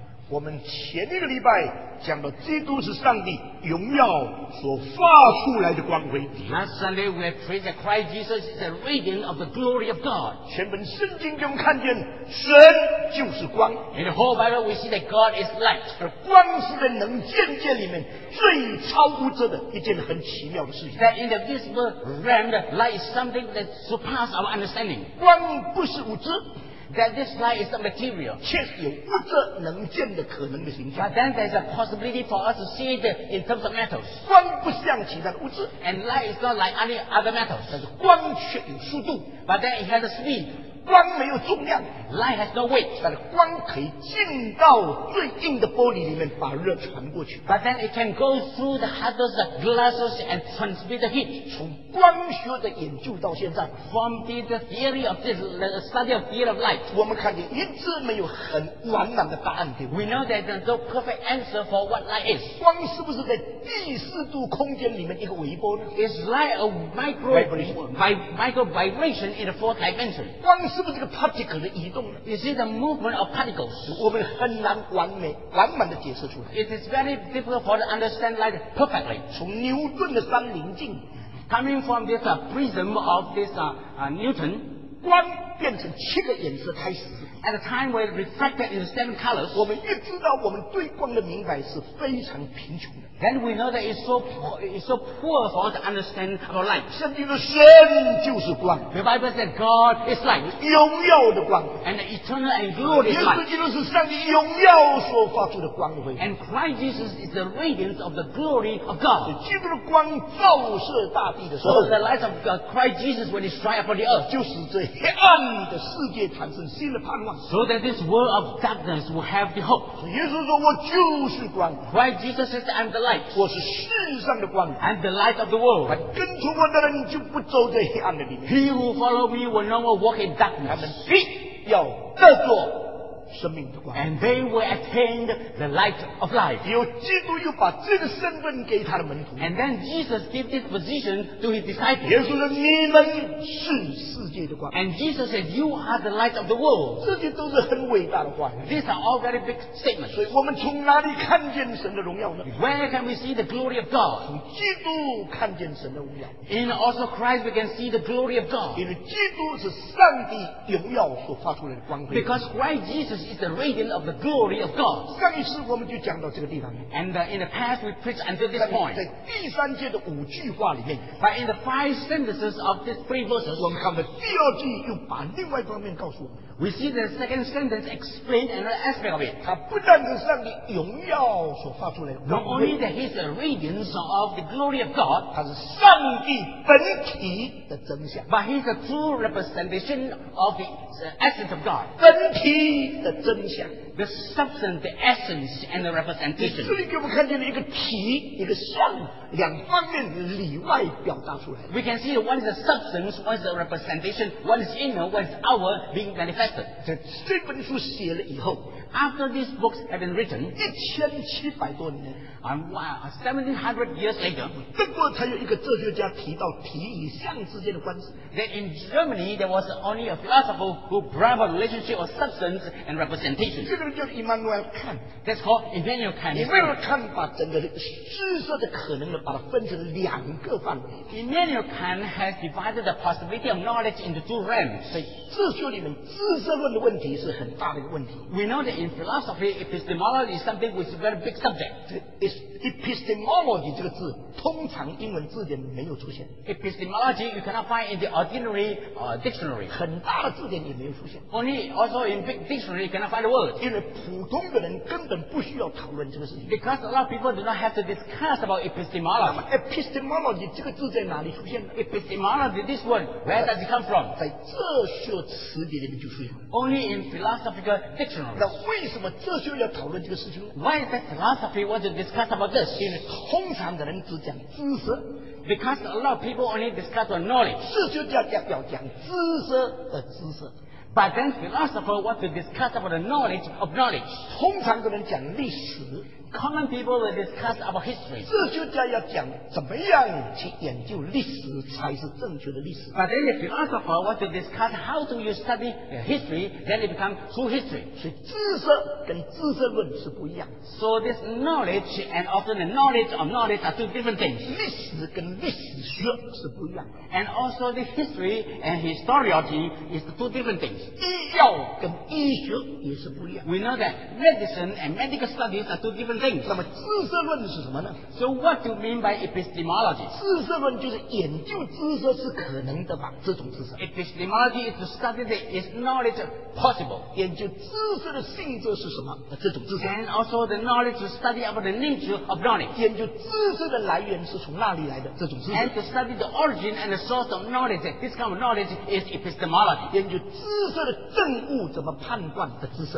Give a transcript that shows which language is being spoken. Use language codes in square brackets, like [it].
[zh] 我们前一个礼拜讲到基督是上帝荣耀所发出来的光辉。 [en] Last Sunday we prayed that Christ Jesus is the radiance of the glory of God. [zh] 全本圣经中看见神就是光。 [en] In the whole Bible we see that God is light. [zh] 而光是在能见界里面最超乎这的一件很奇妙的事情。 [en] That in the visible realm, the light is something that surpasses our understanding. [zh] 光不是物质。 [en] That this light is not material. [zh] 确实有物质能见的可能的形象。 [en] But then there's a possibility for us to see it in terms of metals. [zh] 光不像其他的物质。 [en] And light is not like any other metals. [zh] 但是光却有速度。 [en] But then it has a speed. [zh] 光没有重量。 [en] Light has no weight. [zh] 但是光可以进到最硬的玻璃里面把热传过去。 [en] But then it can go through the hardest glasses and transmit the heat. [zh] 从光学的研究到现在 [en] ，from the theory of this study of theory of light， [zh] 我们看见一直没有很完满的答案。 [en] We know that there's no perfect answer for what light is。 [zh] 光是不是在第四度空间里面一个微波呢 [en] ？Is light a micro vibration in the fourth dimension？ [zh] 光是不是一个 particle 的移动呢 [en] ？Is it the movement of particles？ [zh] 我们很难完满的解释出来。 [en] It is very difficult for us to understand light perfectly。 [zh] 从牛顿的三棱镜。 [en] Coming from this prism of this Newton, [zh] 光变成七个颜色开始。 [en] At a time where it reflected into seven colors, [zh] 我们一知道我们对光的明白是非常贫穷的。 [en] Then we know that it's so poor for us to understand our light. [zh] 圣经的神就是光。 [en] The Bible said God is light. [zh] 荣耀的光。 [en] And the eternal and glorious light. [zh] 耶稣基督是上帝荣耀所发出的光辉。 [en] And Christ Jesus is the radiance of the glory of God. [zh] 基督的光照射大地的时候。 [en] So the light of Christ Jesus when it shines upon the earth. [zh] 就是这黑暗的世界产生新的盼望。 [en] So that this world of darkness will have the hope. [zh] 耶稣说我就是光。 [en] Christ Jesus says I'm the light. [zh] 我是世上的光 [en] and the light of the world. [zh] 跟从我的人就不走在黑暗的里面。 [en] He who follow me will no more walk in darkness. [zh] 他们必要得着生命的光。 [en] And they will attain the light of life. [zh] 有基督又把这个身份给他的门徒。 [en] And then Jesus gave this position to his disciples. [zh] 耶稣说你们是世界的光。 [en] And Jesus said, you are the light of the world. [zh] 这些都是很伟大的话。 [en] These are all very big statements. [zh] 所以我们从哪里看见神的荣耀呢？ [en] Where can we see the glory of God? [zh] 从基督看见神的荣耀。 [en] In also Christ we can see the glory of God. [zh] 因为基督是上帝荣耀所发出来的光辉。 [en] Because Christ Jesus is the radiance of the glory of God. [zh] 上一次我们就讲到这个地方。 [en] And in the past we preached until this point. [zh] 在第三节的五句话里面。 [en] But in the five sentences of these three verses, [zh] 我们看到第二句又把另外一方面告诉我们。 [en] We see the second sentence explained another aspect of it. [zh] 它不但是上帝荣耀所发出来的。 [en] Not only that he's the radiance of the glory of God, [zh] 它是上帝本体的真相。 [en] But he's the true representation of the essence of God. [zh] 本体的真相。 [en] The substance, the essence, and the representation. [zh] 这里给我们看见了一个体，一个相，两方面里外表达出来。 [en] We can see one is the substance, one is the representation, one is inner, one is outer being manifested. [zh] 在这本书写了以后。 [en] After these books have been written, [zh] 1700多年 [en] 1700 years later, [zh] 德国才有一个哲学家提到体与相之间的关系。 [en] That in Germany, there was only a philosopher who brought up a relationship of substance and representation. [zh] 这个人叫 Immanuel Kant. [en] That's called Immanuel Kant. [zh] Immanuel Kant 把整个知识的可能把它分成两个范围。 [en] Immanuel Kant has divided the possibility of knowledge into two realms. [zh] 所以哲学里面知识论的问题是很大的一个问题。 [en] We know that in philosophy, epistemology is something which is a very big subject. It's epistemology [zh] 这个字通常英文字典没有出现。 [en] Epistemology you cannot find in the ordinary dictionary. [zh] 很大的字典也没有出现。 [en] Only also in big dictionary you cannot find the word. [zh] 因为普通的人根本不需要讨论这个事情。 [en] Because a lot of people do not have to discuss about epistemology. [zh] Epistemology 这个字在哪里出现的？ [en] Epistemology this word where does it come from? [zh] 在哲学词典里面就出现。 [en] Only in philosophical dictionary. [zh] 那为什么哲学要讨论这个事情？ [en] Why that philosophy wants to discuss about this? [zh] 因为通常的人只讲知识。 [en] Because a lot of people only discuss on knowledge. [zh] 哲学家讲知识的知识。 [en] But then philosophers want to discuss about the knowledge of knowledge. [zh] 通常的人讲历史。 [en] Common people will discuss about history. [zh] 哲学家要讲怎么样去研究历史才是正确的历史。 [en] But then the philosopher want to discuss how do you study history, then it becomes true history. [zh] 所以知识跟知识论是不一样。 [en] So this knowledge and often the knowledge of knowledge are two different things. [zh] 历史跟历史学是不一样。 [en] And also the history and historiography is two different things. [zh] 医药跟医学也是不一样。 [en] We know that medicine and medical studies are two different. Things. [zh] 那么知识论是什么呢 [en] ？So what do you mean by epistemology? [zh] 知识论就是研究知识是可能的吧？这种知识。 [en] Epistemology is to study the is knowledge possible. [zh] 研究知识的性质是什么？这种知识。 [en] And also the knowledge to study about the nature of knowledge. [zh] 研究知识的来源是从哪里来的？这种知识。 [en] And to study the origin and the source of knowledge. This kind of knowledge is epistemology. [zh] 研究知识的证物怎么判断的知识。